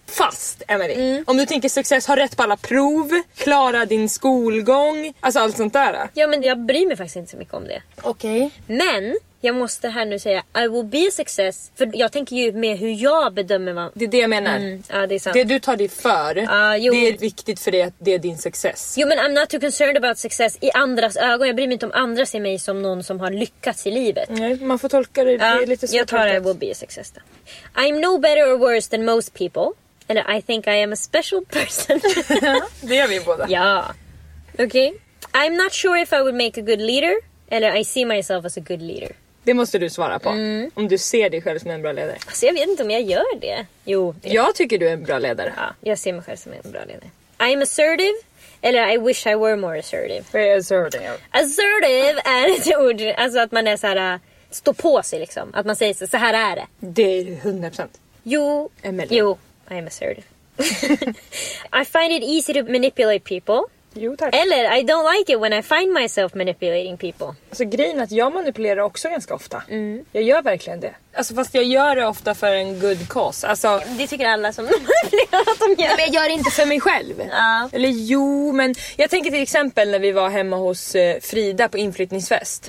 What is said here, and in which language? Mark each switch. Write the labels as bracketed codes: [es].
[sv] Fast Emily, om du tänker success, ha rätt på alla prov, klara din skolgång, alltså allt sånt där. Ja, men jag bryr mig faktiskt inte så mycket om det. Okej. Men jag måste här nu säga, [en] I will be a success. [sv] För jag tänker ju med hur jag bedömer vad... Det är det jag menar. Ja, det är sant. Det du tar dig för, det är viktigt för dig att det är din success. Jo, men [en] I'm not too concerned about success [sv] i andras ögon. Jag bryr mig inte om andra ser mig som någon som har lyckats i livet. Nej, man får tolka det, det lite så. Jag tar [en] I will be a success [sv] då. [en] I'm no better or worse than most people. And I think I am a special person. [sv] Det gör vi båda. Ja. Okej. Okay. [en] I'm not sure if I would make a good leader. [sv] Eller [en] I see myself as a good leader. [sv] Det måste du svara på. Mm. Om du ser dig själv som en bra ledare. Alltså jag vet inte om jag gör det. Jo. Det. Jag tycker du är en bra ledare. Ja, jag ser mig själv som en bra ledare. [en] I'm assertive. [sv] Eller [en] I wish I were more assertive. Very assertive. [sv] Assertive är ett ord. Alltså att man är så här, stå på sig liksom. Att man säger så här är det. Det är 100%. Jo. Emily. Jo, [en] I am assertive. I find it easy to manipulate people. [sv] Jo, tack. Eller, [en] I don't like it when I find myself manipulating people. [sv] Alltså grejen är att jag manipulerar också ganska ofta. Mm. Jag gör verkligen det. Alltså fast jag gör det ofta för en [en] good cause. [sv] Alltså, det tycker alla som manipulerar att de gör. Nej, men jag gör det inte för mig själv. Eller jo, men jag tänker till exempel när vi var hemma hos Frida på inflyttningsfest.